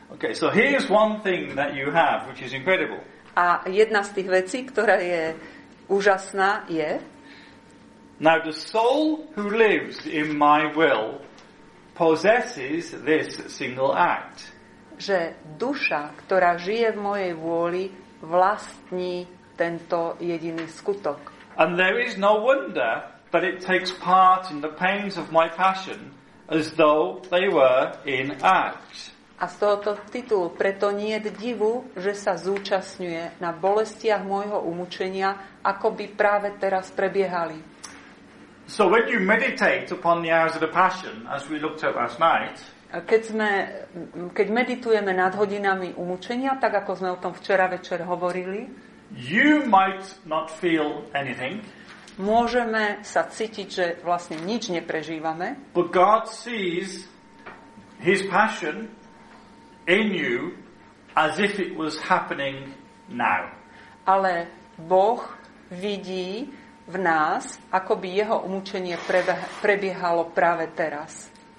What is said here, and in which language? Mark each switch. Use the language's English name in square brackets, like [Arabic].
[English] Okay, so here's one thing that you have, which is incredible. [Slovak] A jedna z tých vecí, ktorá je úžasná, je... [English] Now the soul who lives in my will possesses this single act. [Slovak] Že duša, ktorá žije v mojej vôli, vlastní tento jediný skutok. [English] And there is no wonder that it takes part in the pains of my passion as though they were in act. [Slovak] A z tohoto titulu preto nie je divu, že sa zúčastňuje na bolestiach môjho umučenia, ako by práve teraz prebiehali. [English] So when you meditate upon the hours of the passion, as we looked at last night, [Slovak] keď meditujeme nad hodinami umučenia, tak ako sme o tom včera večer hovorili, [English] you might not feel anything. [Slovak] Môžeme sa cítiť, že vlastne nič neprežívame. [English] But God sees his passion in you as if it was happening now. [Slovak] Ale Boh vidí v nás, ako by jeho umučenie prebiehalo práve teraz.